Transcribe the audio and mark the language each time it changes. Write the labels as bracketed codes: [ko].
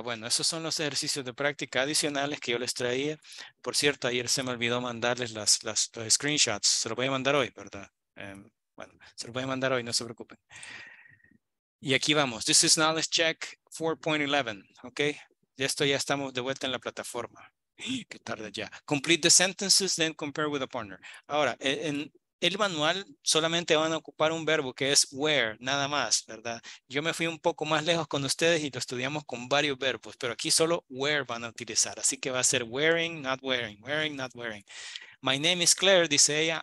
[es] Bueno, esos son los ejercicios de práctica adicionales que yo les traía. Por cierto, ayer se me olvidó mandarles los screenshots. Se los voy a mandar hoy, ¿verdad? Se los voy a mandar hoy, no se preocupen. Y aquí vamos. [en] This is Knowledge Check 4.11. [es] ¿Ok? De esto ya estamos de vuelta en la plataforma. ¡Qué tarde ya! [en] Complete the sentences, then compare with a partner. [es] Ahora, en el manual solamente van a ocupar un verbo que es wear, nada más, ¿verdad? Yo me fui un poco más lejos con ustedes y lo estudiamos con varios verbos, pero aquí solo wear van a utilizar. Así que va a ser wearing, not wearing. [en] My name is Claire, [es] dice ella.